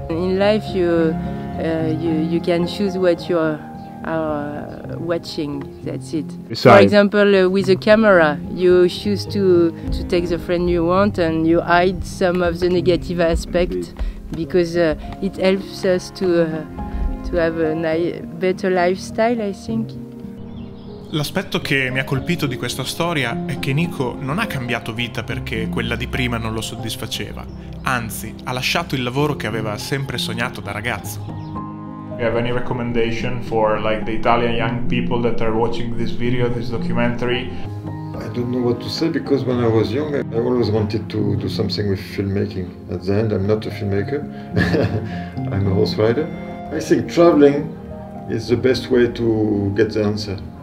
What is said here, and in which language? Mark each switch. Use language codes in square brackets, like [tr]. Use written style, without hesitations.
[en] In life you can choose what you are watching, that's it. Sorry. For example, with a camera, you choose to take the friend you want and you hide some of the negative aspect because it helps us to have a better lifestyle, I think. [it] L'aspetto che mi ha colpito di questa storia è che Nico non ha cambiato vita perché quella di prima non lo soddisfaceva. Anzi, ha lasciato il lavoro che aveva sempre sognato da ragazzo. [en] You have any recommendation for like the Italian young people that are watching this video, this documentary? I don't know what to say because when I was young, I always wanted to do something with filmmaking. At the end, I'm not a filmmaker. I'm a horse rider. I think traveling is the best way to get the answer.